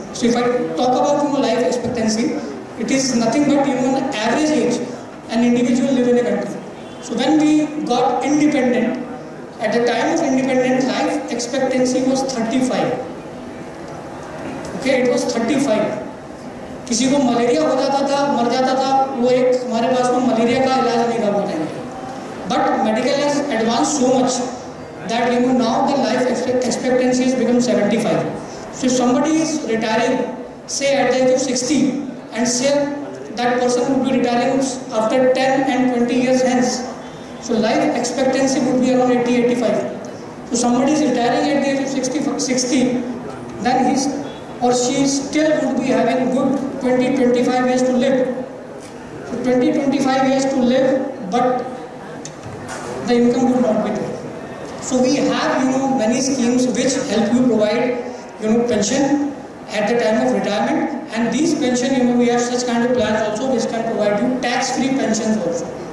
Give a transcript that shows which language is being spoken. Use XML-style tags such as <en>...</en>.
<en>So if I talk about, you know, life expectancy, it is nothing but, you know, the average age an individual live in a country. So when we got independent, at the time of independence, life expectancy was 35. Okay, it was 35.</en> <hi>किसी को malaria हो जाता था, मर जाता था, वो एक हमारे पास में मलेरिया का इलाज नहीं था बोलेंगे.</hi> <en>But medical has advance so much that you know now the life expectancy is become 75. So somebody is retiring say at the age of 60 and say that person would be retiring after 10 and 20 years hence. So life expectancy would be around 80-85. So somebody is retiring at the age of 60 then he or she still would be having good 20-25 years to live. So 20-25 years to live, but the income would not be there. So we have, you know, many schemes which help you provide, you know, pension at the time of retirement. And these pension, you know, we have such kind of plans also which can provide you tax-free pensions also.</en>